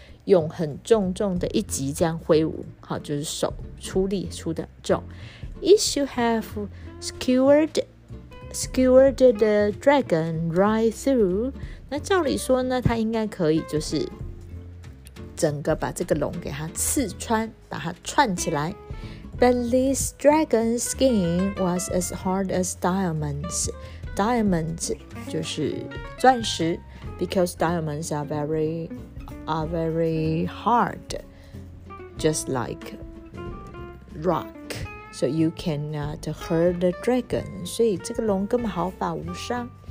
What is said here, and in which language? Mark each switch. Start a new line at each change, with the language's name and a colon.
Chinese: 用很重重的一击这样挥舞，好，就是手出力出的重。
English: It should have skewered the dragon right through.
Chinese: 那照理说呢，他应该可以就是整个把这个龙给它刺穿，把它串起来。
English: But this dragon's skin was as hard as diamonds. Diamonds
Chinese: 就是钻石
English: ，because diamonds are very hard, just like rock. So you cannot hurt the dragon.
Chinese: 所以这个龙根本毫发无伤。